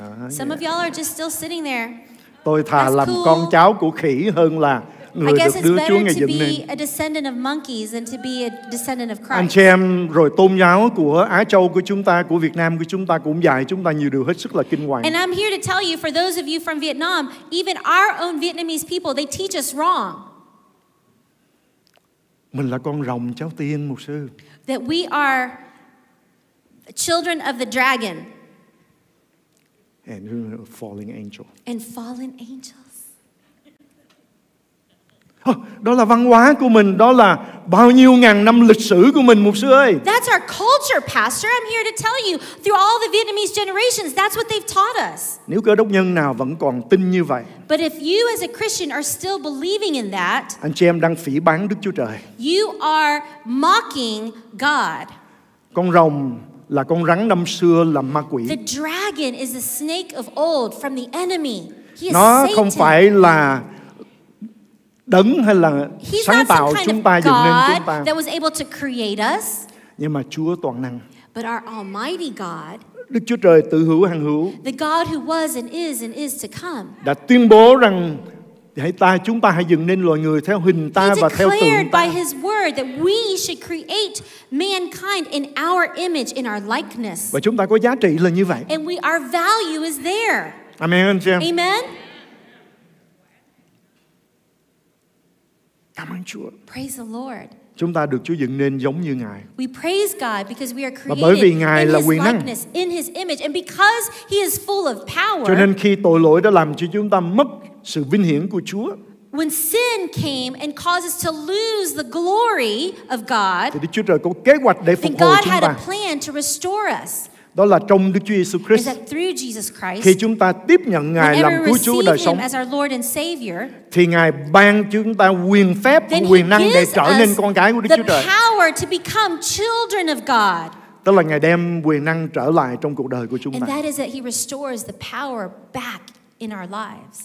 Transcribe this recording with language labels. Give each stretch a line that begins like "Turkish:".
English: Some of y'all are just still sitting there.
Vietnamese: Tôi thà làm con cháu của khỉ hơn là người được Đức Chúa Ngài dựng nên.
English: I guess it's better to be a descendant of monkeys than to be a descendant of Christ.
Vietnamese: Anh chị em, rồi tôn giáo của Á Châu của chúng ta, của Việt Nam của chúng ta cũng dạy chúng ta nhiều điều hết sức là kinh hoàng.
English: And I'm here to tell you, for those of you from Vietnam, even our own Vietnamese people, they teach us wrong.
Vietnamese: Mình là con rồng cháu tiên mục sư.
English: That we are children of the dragon. And fallen angel. And fallen angels.
Vietnamese: Đó là văn hóa của mình, đó là bao nhiêu ngàn năm lịch sử của mình mục sư ơi.
English: That's our culture, pastor. I'm here to tell you, through all the Vietnamese generations, that's what they've taught us.
Vietnamese: Nếu cơ đốc nhân nào vẫn còn tin như vậy.
English: But if you as a Christian are still believing in that,
Vietnamese: anh chị em đang phỉ báng Đức Chúa Trời.
English: You are mocking God.
Vietnamese: Con rồng là con rắn năm xưa là ma quỷ.
English: The dragon is a snake of old from the enemy. He is
Vietnamese: nó
English: Satan.
Vietnamese: Không phải là đấng hay là
English: he's
Vietnamese: sáng tạo chúng ta dựng nên chúng ta.
English: That was able to create us.
Vietnamese: Nhưng mà Chúa toàn năng.
English: But our almighty God,
Vietnamese: Đức Chúa Trời tự hữu hằng hữu,
English: the God who was and is to come,
Vietnamese: đã tuyên bố rằng hãy ta chúng ta hãy dựng nên loài người theo hình ta và theo tượng ta.
English: He declared by his word that we should create mankind in our image, in our likeness.
Vietnamese: Và chúng ta có giá trị là như vậy.
English: And we, our value is there.
Vietnamese: Amen, anh chị em.
English: Amen.
Vietnamese: Cảm ơn Chúa.
English: Praise the Lord.
Vietnamese: Chúng ta được Chúa dựng nên giống như Ngài.
English: We praise God because we are created.
Vietnamese: Và bởi vì Ngài là quyền năng.
English: In his image and because he is full of power.
Vietnamese: Cho nên khi tội lỗi đã làm cho chúng ta mất sự vinh hiển của Chúa.
English: When sin came and causes to lose the glory of God.
Vietnamese: Thì Đức Chúa Trời có kế hoạch để phục hồi chúng ta.
English: God had a plan to restore us.
Vietnamese: Đó là trong Đức Chúa Jesus Christ.
English: Is that through Jesus Christ.
Vietnamese: Khi chúng ta tiếp nhận Ngài làm Cứu Chúa đời sống.
English: As our Lord and Savior,
Vietnamese: thì Ngài ban chúng ta quyền phép, quyền năng để trở nên con cái của Đức Chúa Trời.
English: The power to become children of God.
Vietnamese: Tức là Ngài đem quyền năng trở lại trong cuộc đời của chúng ta.
English: And that is that he restores the power back in our lives.